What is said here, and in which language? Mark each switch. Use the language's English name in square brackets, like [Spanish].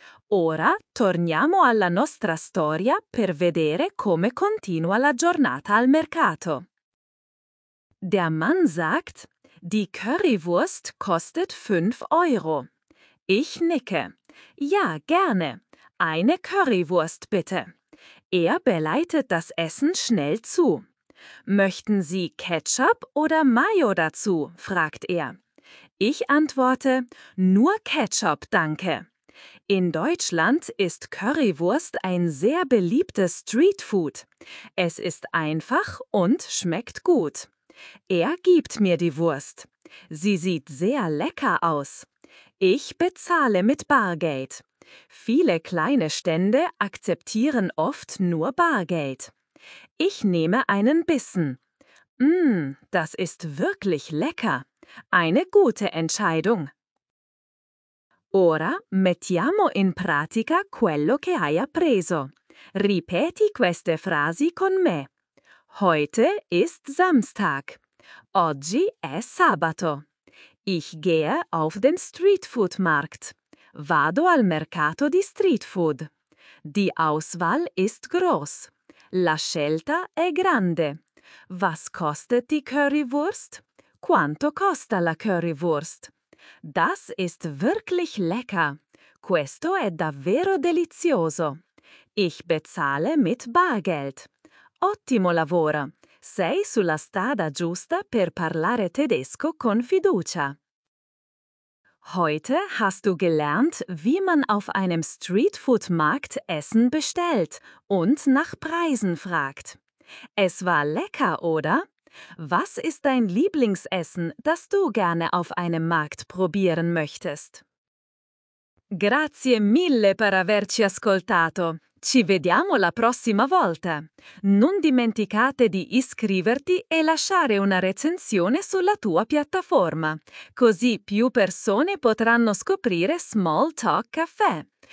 [Italian] Ora torniamo alla nostra storia per vedere come continua la giornata al mercato. [German] Der Mann sagt: Die Currywurst kostet 5 Euro. Ich nicke. Ja, gerne. Eine Currywurst, bitte. Er bereitet das Essen schnell zu. Möchten Sie Ketchup oder Mayo dazu? Fragt er. Ich antworte: Nur Ketchup, danke. In Deutschland ist Currywurst ein sehr beliebtes Streetfood. Es ist einfach und schmeckt gut. Er gibt mir die Wurst. Sie sieht sehr lecker aus. Ich bezahle mit Bargeld. Viele kleine Stände akzeptieren oft nur Bargeld. Ich nehme einen Bissen. Das ist wirklich lecker. Eine gute Entscheidung. [Italian] Ora mettiamo in pratica quello che hai appreso. Ripeti queste frasi con me. [German] Heute ist Samstag. [Italian] Oggi è sabato. [German] Ich gehe auf den Streetfood-Markt. [Italian] Vado al mercato di Streetfood. [German] Die Auswahl ist groß. [Italian] La scelta è grande. [German] Was kostet die Currywurst? [Italian] Quanto costa la Currywurst? [German] Das ist wirklich lecker. [Italian] Questo è davvero delizioso. [German] Ich bezahle mit Bargeld. [Italian] Ottimo lavoro! Sei sulla strada giusta per parlare tedesco con fiducia. [German] Heute hast du gelernt, wie man auf einem Streetfood-Markt Essen bestellt und nach Preisen fragt. Es war lecker, oder? Was ist dein Lieblingsessen, das du gerne auf einem Markt probieren möchtest? [Italian] Grazie mille per averci ascoltato! Ci vediamo la prossima volta. Non dimenticate di iscriverti e lasciare una recensione sulla tua piattaforma, così più persone potranno scoprire Small Talk Caffè.